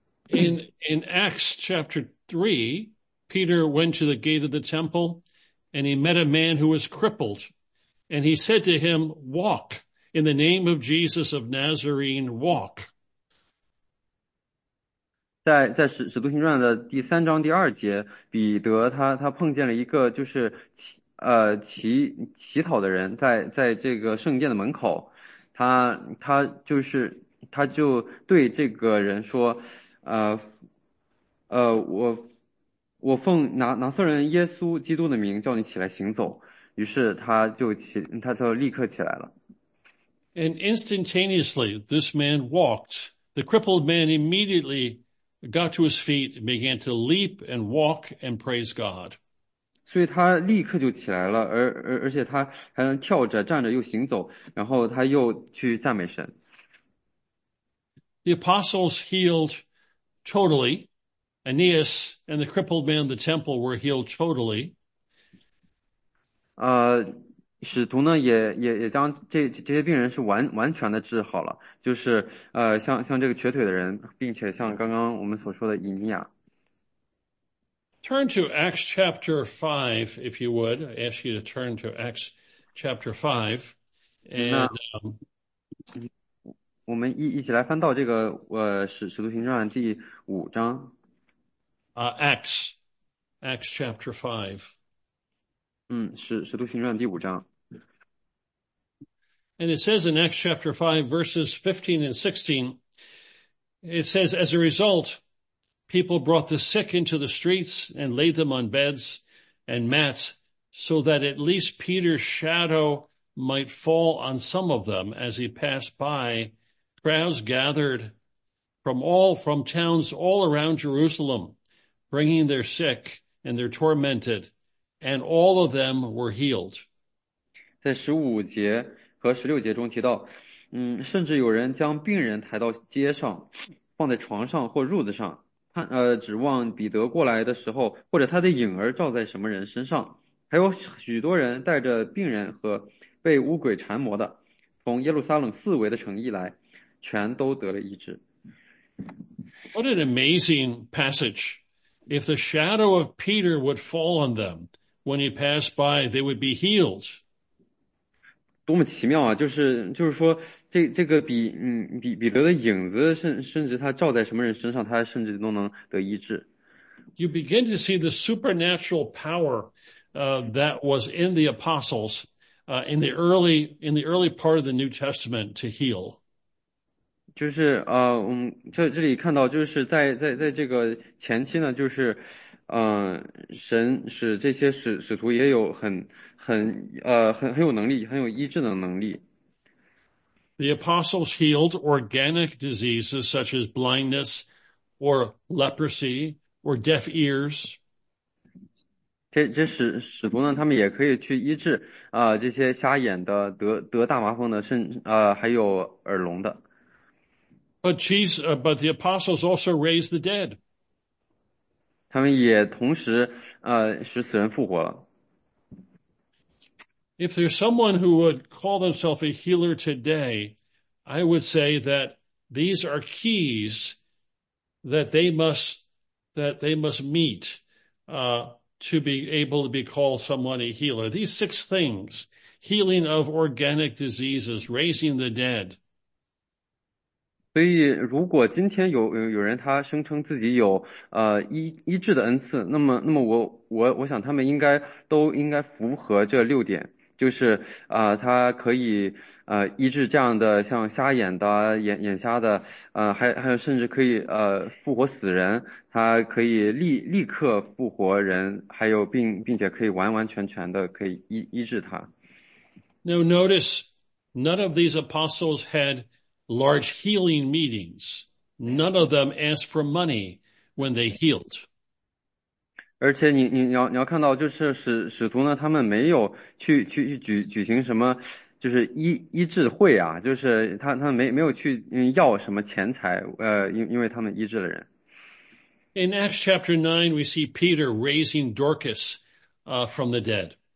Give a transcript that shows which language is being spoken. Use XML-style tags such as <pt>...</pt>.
<en>In Acts chapter 3, Peter went to the gate of the temple and he met a man who was crippled. And he said to him, walk in the name of Jesus of Nazarene, walk.</en> <zh>在使徒行传的第3章第2节，彼得他碰见了一个就是。乞讨的人在这个圣殿的门口，他就对这个人说，我奉拿撒勒人耶稣基督的名叫你起来行走，于是他就立刻起来了。</zh> <en>And instantaneously, this man walked. The crippled man immediately got to his feet and began to leap and walk and praise God.</en> <zh>所以他立刻就起来了，而且他还能跳着、站着又行走，然后他又去赞美神。</zh> <en>The apostles healed totally. Aeneas and the crippled man in the temple were healed totally.</en> <zh>使徒呢也将这些病人是完全的治好了，就是像这个瘸腿的人，并且像刚刚我们所说的以尼亚。</zh> <en>Turn to Acts chapter 5, if you would. I ask you to turn to Acts chapter 5.</en> <zh>行，那</zh> <en>And,</en> <zh>我们一起来翻到这个使徒行传第5章。</zh> <en>Acts chapter 5.</en> <zh>使徒行传第5章。</zh> <en>And it says in Acts chapter 5, verses 15 and 16, it says, as a result, people brought the sick into the streets and laid them on beds and mats so that at least Peter's shadow might fall on some of them as he passed by. Crowds gathered from towns all around Jerusalem, bringing their sick and their tormented, and all of them were healed.</en> <zh>在15节和16节中提到，甚至有人将病人抬到街上，放在床上或褥子上，指望彼得过来的时候，或者他的影儿照在什么人身上。还有许多人带着病人和被污鬼缠魔的，从耶路撒冷四围的城邑来，全都得了医治。</zh> <en>What an amazing passage. If the shadow of Peter would fall on them when he passed by, they would be healed.</en> <zh>多么奇妙啊！就是说，这个彼得的影子，甚至他照在什么人身上，他甚至都能得医治。</zh> <en>You begin to see the supernatural power, that was in the apostles, in the early part of the New Testament to heal.</en> <zh>就是我们这里看到，就是在这个前期呢，就是神使这些使徒也有很有能力，很有医治的能力。</zh> <en>The apostles healed organic diseases such as blindness or leprosy or deaf ears. This</en> <zh>使徒呢，他们也可以去医治这些瞎眼的、得大麻风的，还有耳聋的。</zh> <en>But the apostles also raised the dead.</en> <zh>他们也同时使死人复活了。</zh> <en>If there's someone who would call themselves a healer today, I would say that these are keys that they must meet to be able to be called someone a healer. These six things: healing of organic diseases, raising the dead.</en> <zh>所以，如果今天有人他声称自己有医治的恩赐，那么我想他们都应该符合这六点，就是他可以医治这样的像瞎眼的、眼瞎的，还有甚至可以复活死人，他可以立刻复活人，还有并且可以完完全全的可以医治他。</zh> <en>Now notice, none of these apostles had large healing meetings. None of them asked for money when they healed.</en> <zh>而且你要看到，就是使徒呢，他们没有去举行什么，就是医治会啊，就是他们没有去要什么钱财，因为他们医治了人。</zh> <en>In Acts chapter 9, we see Peter raising Dorcas, from the dead.</en>